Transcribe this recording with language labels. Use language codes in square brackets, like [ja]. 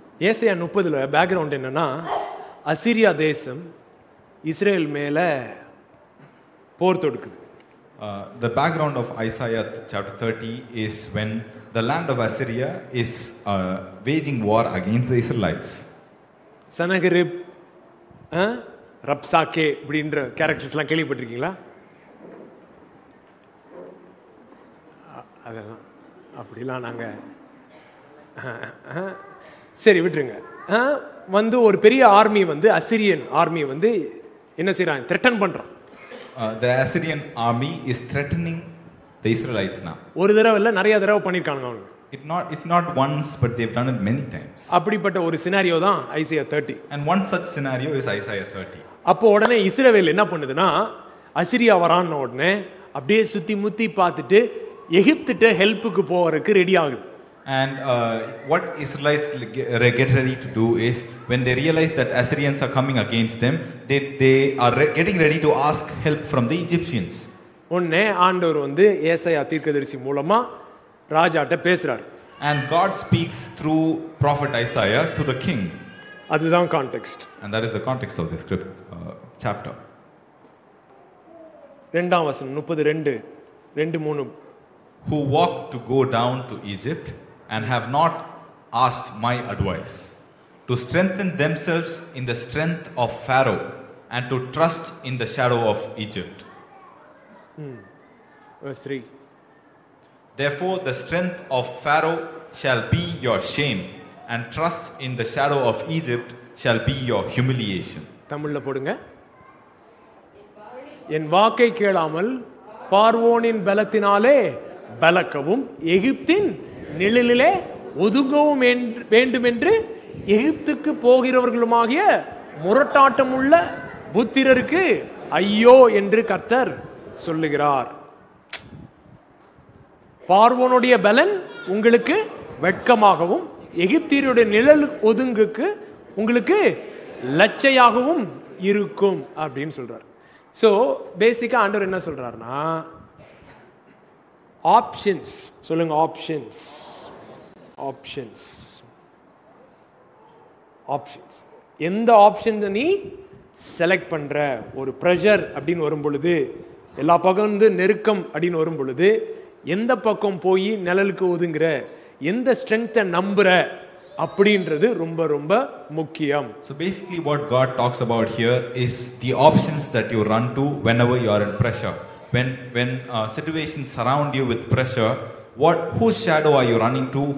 [ta] ஏசையா 30ல background என்னன்னா, அசிரியா தேசம் Israel மேல போர் தொடுக்குது. [en] The background of Isaiah chapter 30 is when the land of Assyria is waging war against the Israelites. [ta] சனகரிப் ரப்சாகே அப்படின்ற characters எல்லாம் கேள்விப்பட்டிருக்கீங்களா? அதெல்லாம் அப்படிலாம் நாங்கள் சரி விட்டுருங்க. வந்து ஒரு பெரிய ஆர்மி வந்து அசிரியன் ஆர்மி வந்து என்ன செய்யறாங்க, த்ரெட்டன் பண்றான். [en] The Assyrian army is threatening the Israelites now. [ta] ஒரு தடவை இல்ல நிறைய தடவை பண்ணிருக்காங்க அவங்க. [en] It's not once but they've done it many times. [ta] அப்படிப்பட்ட ஒரு சினாரியோ தான் Isaiah 30. [en] And one such scenario is Isaiah 30. [ta] அப்போ உடனே இஸ்ரவேல் என்ன பண்ணுதுனா, அசிரியா வரான உடனே அப்படியே சுத்தி முத்தி பார்த்துட்டு எகிப்திட்ட ஹெல்ப்புக்கு போறதுக்கு ரெடி ஆகுது. [en] And what Israelites get ready to do is when they realize that Assyrians are coming against them, they are getting ready to ask help from the Egyptians. [ta] உடனே ஆண்டவர் வந்து ஏசாயா தீர்க்கதரிசி மூலமா ராஜாட்ட பேசுறாரு. [en] And God speaks through prophet Isaiah to the king. [ta] அதுதான் context. [en] And that is the context of this script chapter. [ta] 2 வசனம் 32:2-3. [en] Who walked to go down to Egypt and have not asked my advice, to strengthen themselves in the strength of Pharaoh and to trust in the shadow of Egypt. Verse 3. Therefore the strength of Pharaoh shall be your shame and trust in the shadow of Egypt shall be your humiliation. [ta] தமிழ்ல போடுங்க. என் வாக்கை கேளாமல் பார்வோனின் பலத்தினாலே பலக்கவும் எகிப்தின் நிழலிலே ஒதுங்கவும் வேண்டும் என்று எகிப்துக்கு போகிறவர்களுமாகிய முரட்டாட்டம் உள்ள புத்திரருக்கு ஐயோ என்று கர்த்தர் சொல்லுகிறார். பார்வோனுடைய பலன் உங்களுக்கு வெட்கமாகவும் எகிப்தியருடைய நிழல் ஒதுங்குக்கு உங்களுக்கு லச்சையாகவும் இருக்கும் அப்படின்னு சொல்றார். ஸோ பேசிக்கா ஆண்டவர் என்ன சொல்றாருனா, ஆப்ஷன்ஸ் சொல்லுங்க, ஆப்ஷன்ஸ் ஆப்ஷன்ஸ் ஆப்ஷன்ஸ் எந்த ஆப்ஷன் நீ செலக்ட் பண்ற, ஒரு ப்ரெஷர் அப்படின்னு வரும்பொழுது, எல்லா பக்கம் நெருக்கம் அப்படின்னு வரும்பொழுது எந்த பக்கம் போய் நிழலுக்கு ஒதுங்குற, எந்த ஸ்ட்ரெங்கத்தை நம்புற அப்படின்றது ரொம்ப ரொம்ப முக்கியம். [en] So basically what God talks about here is the options that you run to whenever you are in pressure. When situations surround you with pressure, whose shadow are you running to?